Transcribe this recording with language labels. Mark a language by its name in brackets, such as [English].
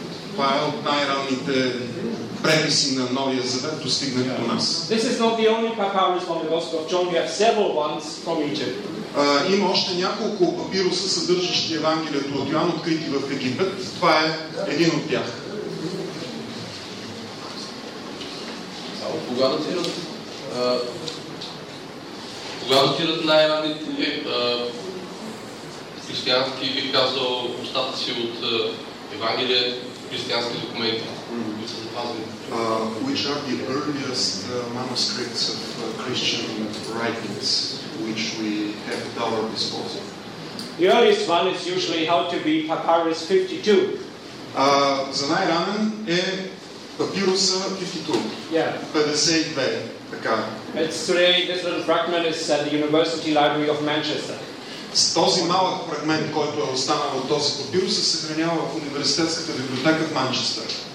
[Bulgarian] Това е от най-ранните преписи на Новия Завет, достигнали до нас. [English] This is not the only papyrus from the Gospel of John. We have several ones from Egypt. [Bulgarian] Има още няколко папируса, съдържащи Евангелието от Йоан, открити в Египет. Това е един от тях. Кога датират най-ранните християнски, би казал, остатъци от Евангелие, християнски документи, които са запазени? [English] Which are the earliest manuscripts of Christian writings which we have at our disposal? The earliest one is usually how to be papyrus 52. [Bulgarian] За най-ранен е папируса 52. [English] Yeah. [Bulgarian] 52, така. [English] It's today, this little fragment is at the University Library of Manchester. [Bulgarian] Този малък фрагмент, който е останал от този папирус, се съхранява в Университетската библиотека в Манчестър.